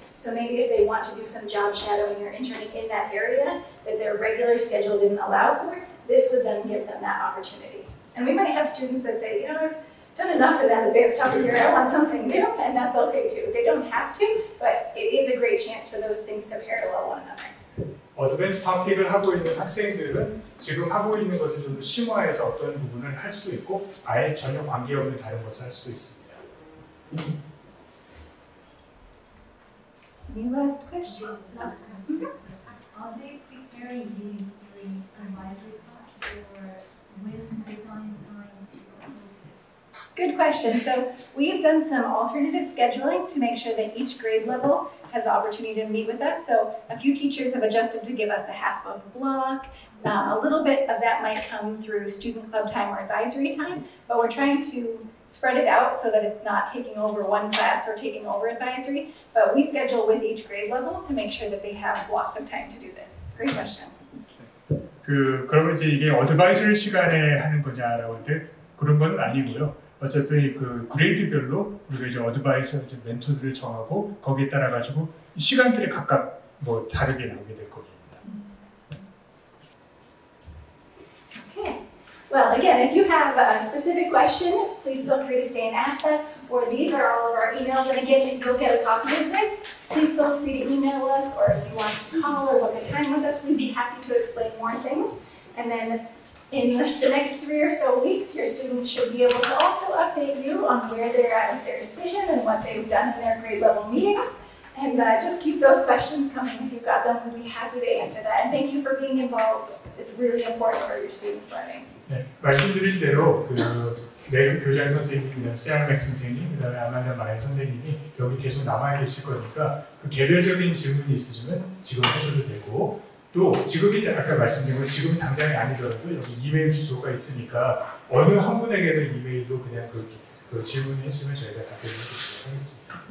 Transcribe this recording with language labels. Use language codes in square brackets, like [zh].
[en] So maybe if they want to do some job shadowing or interning in that area that their regular schedule didn't allow for, this would then give them that opportunity. And we might have students that say, you know, I've done enough of that advanced topic here, I want something new, and that's okay too. They don't have to, but it is a great chance for those things to parallel one another. [ko] 어드밴스 탑픽을 하고 있는 학생들은 지금 하고 있는 것을 좀 심화해서 어떤 부분을 할 수도 있고 아예 전혀 관계없는 다른 것을 할 수도 있습니다. [en] Any last question? Last question. Are they preparing these three advisory classes, or when are they going to propose this? Good question. So we've done some alternative scheduling to make sure that each grade level has the opportunity to meet with us. So a few teachers have adjusted to give us a half of a block. A little bit of that might come through student club time or advisory time, but we're trying to spread it out so that it's not taking over one class or taking over advisory, but we schedule with each grade level to make sure that they have blocks of time to do this. Great question. [ko] 그러면 이제 이게 어드바이저리 시간에 하는 거냐라고 할 때 그런 건 아니고요. 어차피 그 그레이드별로 우리가 이제 어드바이저 이제 멘토들을 정하고 거기에 따라 가지고 시간들이 각각 뭐 다르게 나오게 될 거예요. [en] Well, again, if you have a specific question, please feel free to stay and ask that, or these are all of our emails, and again, if you'll get a copy of this, please feel free to email us, or if you want to call or book a time with us, we'd be happy to explain more things, and then in the next 3 or so weeks, your students should be able to also update you on where they're at with their decision and what they've done in their grade level meetings, and just keep those questions coming if you've got them. We'd be happy to answer that, and thank you for being involved. It's really important for your students' learning. [ko] 네, 말씀드린 대로 그 내일 교장 선생님, 세양맥 선생님, 그다음에 아만다 마이 선생님이 여기 계속 남아 계실 거니까 그 개별적인 질문이 있으시면 지금 하셔도 되고 또 지금이 아까 말씀드린 건 지금 당장이 아니더라도 여기 이메일 주소가 있으니까 어느 한 분에게도 이메일로 그냥 그 질문해 주시면 저희가 답변을 드리도록 하겠습니다.